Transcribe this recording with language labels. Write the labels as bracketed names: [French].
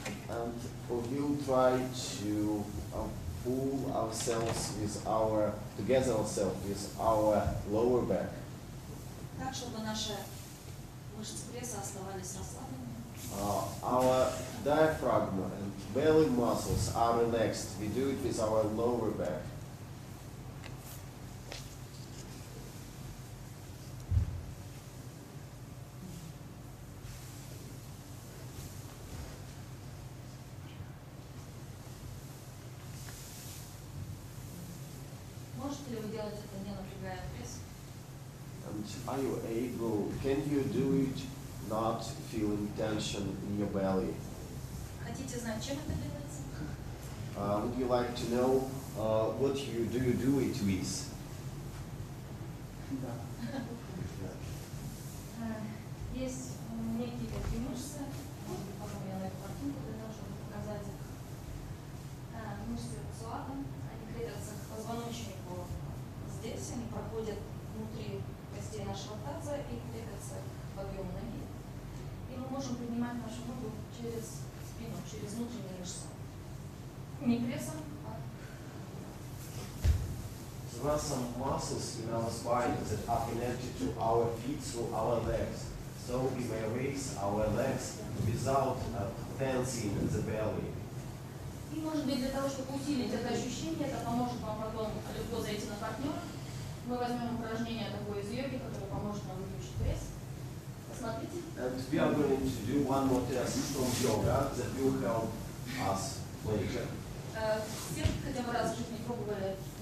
[English] And we'll try to pull ourselves with our together ourselves with our lower back. [Russian] Так, чтобы наши мышцы пресса оставались расслабленными. [English] Our diaphragm and belly muscles are relaxed. We do it with our lower back. [Russian] Сейчас Можете ли вы делать это, не напрягая пресс? [English] Are you able, can you do it not feeling tension in your belly? [Russian] Хотите знать, чем это делается? [English] Would you like to know what you do you do it with? [Russian] Есть некие такие мышцы, может, потом я на эту картинку для того, чтобы показать их. Мышцы псоата, они крепятся к позвоночнику. Здесь они проходят внутри костей нашего таза и крепятся к подъему ноги. И мы можем поднимать нашу ногу через спину, через внутренние мышцы. Не прессом. [English] There are some muscles in our spine that are connected to our feet through our legs. So we may raise our legs without tensing the belly. [Russian] И может быть для того, чтобы усилить это ощущение, это поможет вам потом легко зайти на партнера. Мы возьмем упражнение такое из йоги, которое поможет вам увеличить пресс. Посмотрите. [English] And we are going to do one more test from yoga that will help us later. [Russian] Все хотя бы раз в жизни пробовали.